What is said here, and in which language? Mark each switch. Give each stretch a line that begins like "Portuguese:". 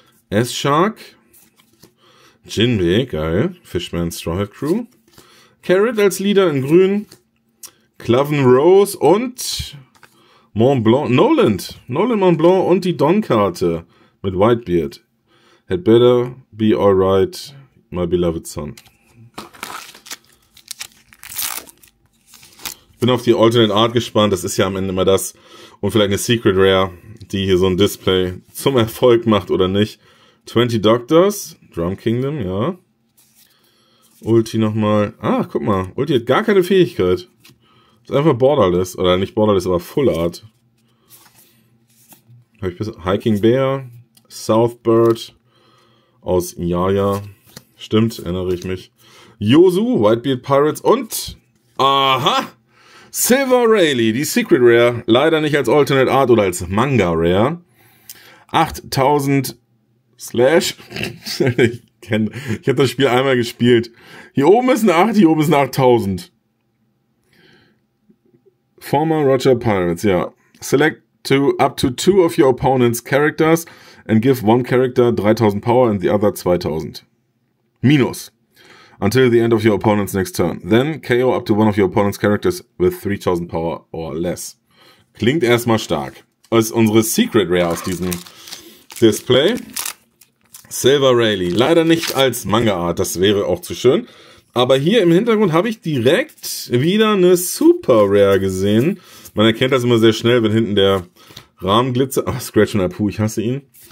German: S-Shark. Jinbe, geil. Fishman Straw Hat Crew. Carrot als Leader in grün. Cloven Rose und Mont Blanc, Nolan Mont Blanc und die Don-Karte mit Whitebeard.
English: Had better be alright, my beloved son.
German: Ich bin auf die Alternate Art gespannt, das ist ja am Ende immer das. Und vielleicht eine Secret Rare, die hier so ein Display zum Erfolg macht oder nicht. 20 Doctors, Drum Kingdom, ja. Ulti nochmal, ah, guck mal, Ulti hat gar keine Fähigkeit. Ist einfach borderless, oder nicht borderless, aber Full Art. Habe ich besser. Hiking Bear, Southbird aus Yaya. Stimmt, erinnere ich mich. Yosu, Whitebeard Pirates und aha! Silver Rayleigh, die Secret Rare. Leider nicht als Alternate Art oder als Manga Rare. 8000 Slash. Ich habe das Spiel einmal gespielt. Hier oben ist eine 8, hier oben ist eine 8000.
English: Former Roger Pirates, ja. Select to up to two of your opponent's characters and give one character 3000 power and the other 2000. Minus. Until the end of your opponent's next turn. Then KO up to one of your opponent's characters with 3000 power or less.
German: Klingt erstmal stark. Das ist unsere Secret Rare aus diesem Display. Silver Rayleigh. Leider nicht als Manga-Art, das wäre auch zu schön. Aber hier im Hintergrund habe ich direkt wieder eine Super Rare gesehen. Man erkennt das immer sehr schnell, wenn hinten der Rahmen glitzert. Ach, Scratch und Apu, ich hasse ihn.